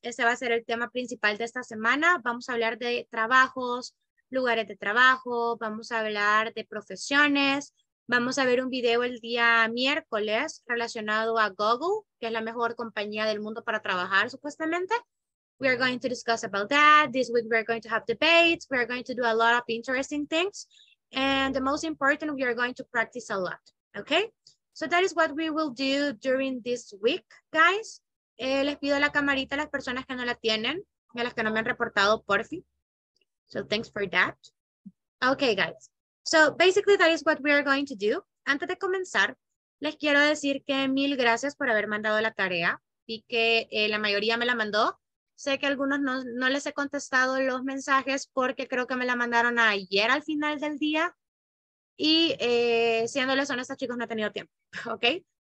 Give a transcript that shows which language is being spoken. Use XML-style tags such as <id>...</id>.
<es>Ese va a ser el tema principal de esta semana. Vamos a hablar de trabajos, lugares de trabajo, vamos a hablar de profesiones. Vamos a ver un video el día miércoles relacionado a Google, que es la mejor compañía del mundo para trabajar, supuestamente.</es> <en>We are going to discuss about that. This week we are going to have debates. We are going to do a lot of interesting things. And the most important, we are going to practice a lot. Okay? So that is what we will do during this week, guys.</en> <es>Les pido la camarita a las personas que no la tienen y a las que no me han reportado, por fin.</es> <en>So, thanks for that. Okay, guys. So, basically, that is what we are going to do.</en> <es>Antes de comenzar, les quiero decir que mil gracias por haber mandado la tarea. Vi que la mayoría me la mandó. Sé que algunos no les he contestado los mensajes porque creo que me la mandaron ayer al final del día. Y siéndoles honestos, chicos, no he tenido tiempo. Okay.</es>